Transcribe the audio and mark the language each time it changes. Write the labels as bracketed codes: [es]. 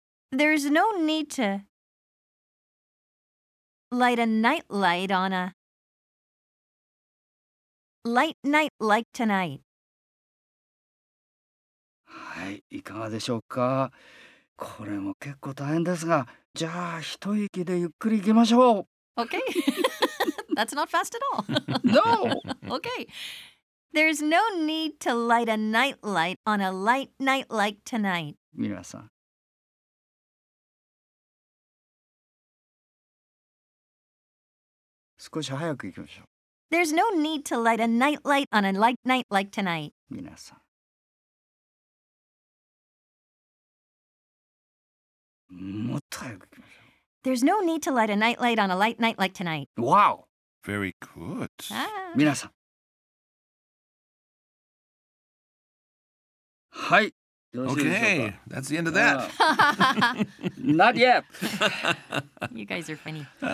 [en] There's no need to light a night light on aLight night like tonight。 [ja] はい、いかがでしょうか。これも結構大変ですが、じゃあ一息でゆっくり行きましょう。 [en] Okay. That's not fast at all. No. Okay. There's no need to light a night light on a light night like tonight. [ja] 皆さん少し早く行きましょう。 [en] There's no need to light a nightlight on a light night like tonight. [ja] 皆さん。もっと早く行きましょう。 [en] There's no need to light a nightlight on a light night like tonight. Wow! Very good. [ja] 皆さん。はい。 [en] Okay, that's the end of that. Not yet. You guys are funny.